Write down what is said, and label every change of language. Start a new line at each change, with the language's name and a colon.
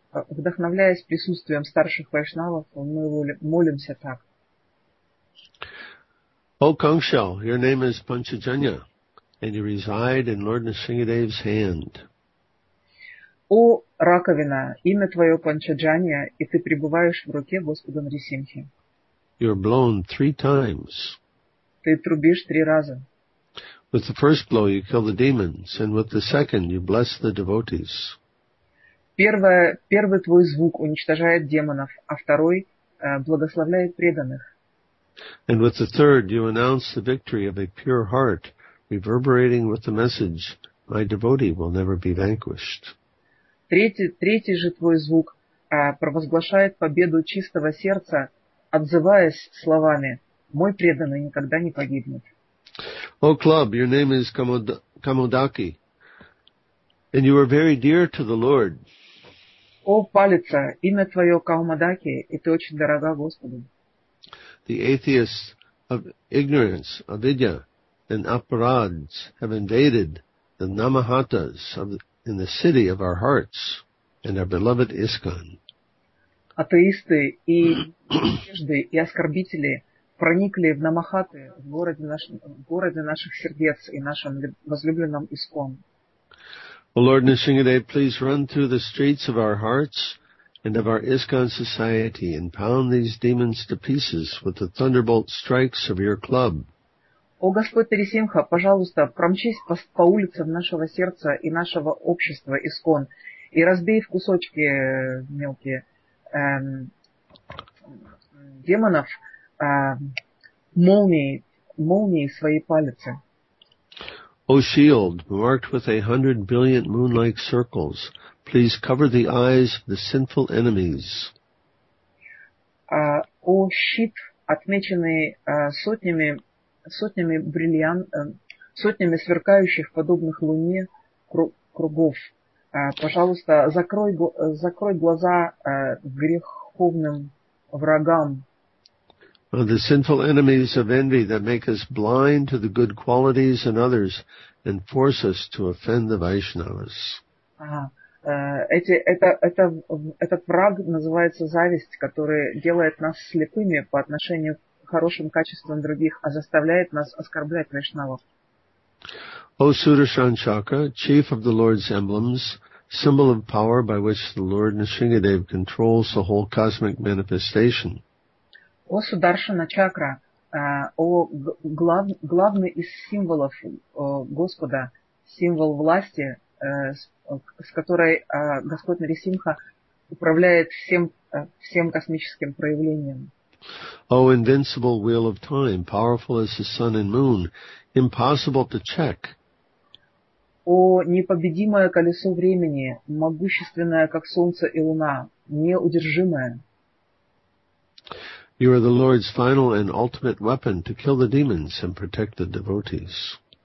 Russian: Вдохновляясь присутствием старших вайшнавов, мы молимся так.
English: O Kangshal, your name is Panchajanya, and you reside in Lord Nrisimhadev's hand.
Russian: О, раковина, имя твое Панчаджанья, и ты пребываешь в руке Господа Нрисимхи.
English: You're blown three times.
Russian: Ты трубишь три раза.
English: With the first blow you kill the demons, and with the second you bless the devotees.
Russian: Первый твой звук уничтожает демонов, а второй благословляет преданных.
English: And with the third you announce the victory of a pure heart, reverberating with the message, my devotee will never be vanquished.
Russian: Третий же твой звук провозглашает победу чистого сердца, отзываясь словами, мой преданный никогда не погибнет.
English: O club, your name is Kamodaki, and you are very dear to the Lord.
Russian: О, палица, имя твое Каумадаки, и ты очень дорога Господу.
English: The atheists of ignorance, avidya, and aparads have invaded the namahatas in the city of our hearts and our beloved ISKCON.
Russian: Атеисты и невежды и оскорбители проникли в намахаты в городе наших сердец и нашем возлюбленном ИСККОН.
English: O Lord Nrisimhadev, please run through the streets of our hearts and of our ISKCON society and pound these demons to pieces with the thunderbolt strikes of your club.
Russian: О Господь Нрисимха, пожалуйста, промчись по улицам нашего сердца и нашего общества ИСККОН и разбей в кусочки мелкие демонов молнии своей палицы.
English: O shield, marked with 100 brilliant moon-like circles, please cover the eyes of the sinful enemies.
Russian: о щит, отмеченный сотнями бриллиант, сотнями сверкающих подобных луне кругов. Пожалуйста, закрой глаза греховным врагам.
English: The sinful enemies of envy that make us blind to the good qualities in others and force us to offend the Vaishnavas.
Russian: Этот враг называется зависть, который делает нас слепыми по отношению к хорошим качествам других, а заставляет нас оскорблять Вайшнавов.
English: O Sudarshan Chakra, chief of the Lord's emblems, symbol of power by which the Lord Nrisingadev controls the whole cosmic manifestation.
Russian: О Сударшана Чакра, о главный из символов Господа, символ власти, с которой Господь Нарисимха управляет всем космическим проявлением.
English: О invincible wheel of time, powerful as the sun and moon, impossible to check.
Russian: О непобедимое колесо времени, могущественное, как солнце и луна, неудержимое.
English: You are the Lord's final and ultimate weapon to kill the demons and protect the devotees.